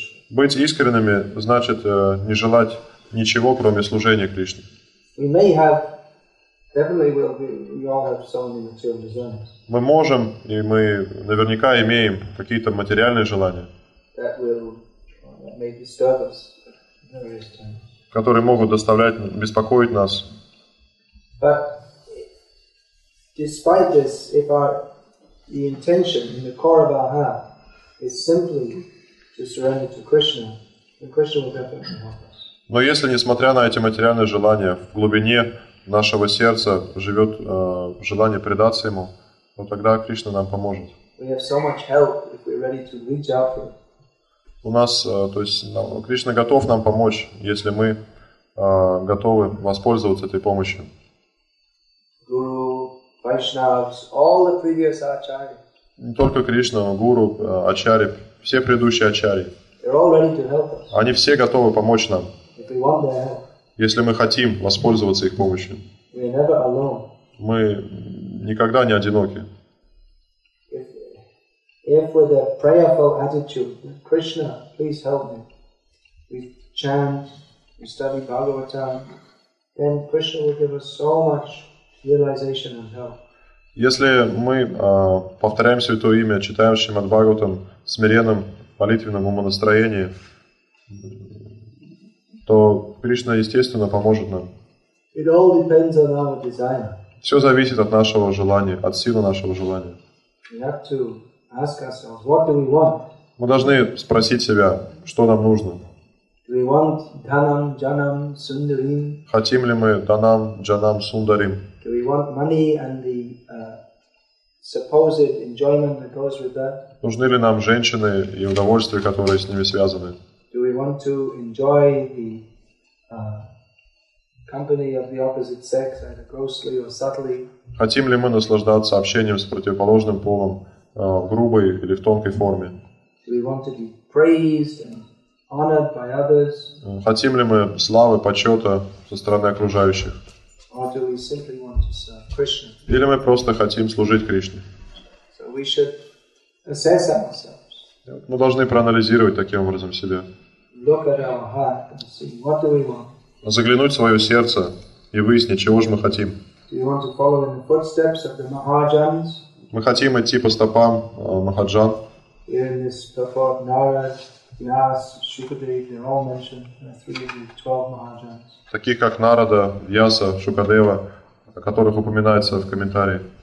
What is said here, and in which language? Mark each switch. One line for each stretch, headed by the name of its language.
Russian: Быть искренними значит не желать ничего, кроме служения Кришне.
English: Definitely we all have so many material desires.
Russian: Мы можем, и мы наверняка имеем какие-то материальные желания,
English: that may disturb us at various times.
Russian: Которые могут доставлять, беспокоить нас.
English: But despite this, if the intention in the core of our heart is simply to surrender to Krishna, then Krishna will definitely help us.
Russian: Но если, несмотря на эти материальные желания, в глубине нашего сердца живет желание предаться Ему, то тогда Кришна нам поможет. У нас, то есть, нам, Кришна готов нам помочь, если мы готовы воспользоваться этой помощью.
English: Guru, Vaishnavas, all the previous acharyas.
Russian: Не только Кришна, но Гуру, Ачарьи, все предыдущие Ачарьи.
English: They're all ready to help us.
Russian: Они все готовы помочь нам.
English: If we want their help.
Russian: Если мы хотим воспользоваться их помощью.
English: We're never alone.
Russian: Мы никогда не одиноки.
English: If with a prayerful attitude, Krishna, please help me. We chant, we study Bhagavatam, then Krishna will give us so much realization and help.
Russian: Если мы повторяем Святое Имя, читаем Шримад-Бхагаватам в смиренном молитвенном умонастроении, то Кришна, естественно, поможет нам.
English: It all depends on our desire.
Russian: Все зависит от нашего желания, от силы нашего желания.
English: We have to ask ourselves, what do we want?
Russian: Мы должны спросить себя, что нам нужно.
English: Do we want dhanam, janam, sundarim?
Russian: Хотим ли мы данам, джанам, сундарим?
English: Do we want money and the supposed enjoyment that goes with that?
Russian: Нужны ли нам женщины и удовольствия, которые с ними связаны?
English: Do we want to enjoy the company of the opposite sex, either grossly or subtly?
Russian: Хотим ли мы наслаждаться общением с противоположным полом в грубой или в тонкой форме?
English: Do we want to be praised and honored by others?
Russian: Хотим ли мы славы, почета со стороны окружающих?
English: Or do we simply want to serve Krishna?
Russian: Или мы просто хотим служить Кришне?
English: So we should assess ourselves.
Russian: Мы должны проанализировать таким образом себя.
English: Look at our heart and see what do we want.
Russian: Заглянуть в свое сердце и выяснить, чего же мы хотим.
English: Do you want to follow in the footsteps of the Mahajans?
Russian: Мы хотим идти по стопам Махаджан.
English: In this purport, Narad, Vyas, Shukadev, they're all mentioned, the 312 Mahajans.
Russian: Таких как Нарада, Вьяса, Шукадева, о которых упоминается в комментарии.